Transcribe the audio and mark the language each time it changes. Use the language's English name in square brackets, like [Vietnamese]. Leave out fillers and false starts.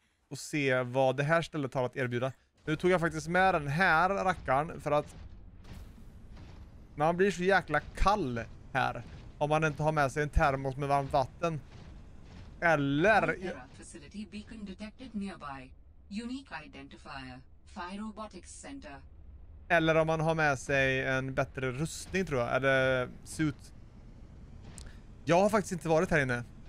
[Swedish] Och se vad det här stället har att erbjuda. Nu tog jag faktiskt med den här rackaren för att man blir så jäkla kall här om man inte har med sig en termos med varmt vatten. Eller... [English] facility beacon detected nearby. Unique identifier. Fire Robotics Center. [Swedish] Eller om man har med sig en bättre rustning, tror jag. Eller suit. Jag har faktiskt inte varit här inne.